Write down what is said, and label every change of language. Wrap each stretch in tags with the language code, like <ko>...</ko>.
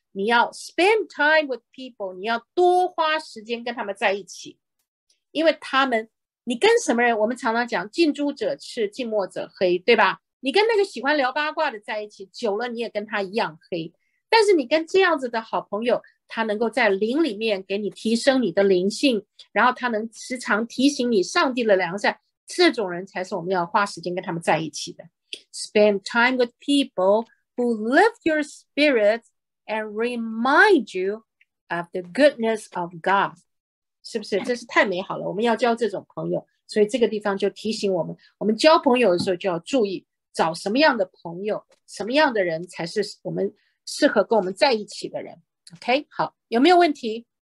<zh>你要</zh> <en>spend time with people，</en> <zh>你要多花时间跟他们在一起，因为他们，你跟什么人，我们常常讲近朱者赤近墨者黑，对吧？你跟那个喜欢聊八卦的在一起久了，你也跟他一样黑，但是你跟这样子的好朋友，他能够在灵里面给你提升你的灵性，然后他能时常提醒你上帝的良善，这种人才是我们要花时间跟他们在一起的。</zh> <en>spend time with peoplewho lift your spirit and remind you of the goodness of God.</en> <zh>是不是？这是太美好了，我们要交这种朋友。所以这个地方就提醒我们，我们交朋友的时候就要注意找什么样的朋友，什么样的人才是我们适合跟我们在一起的人。 OK， 好，有没有问题？</zh>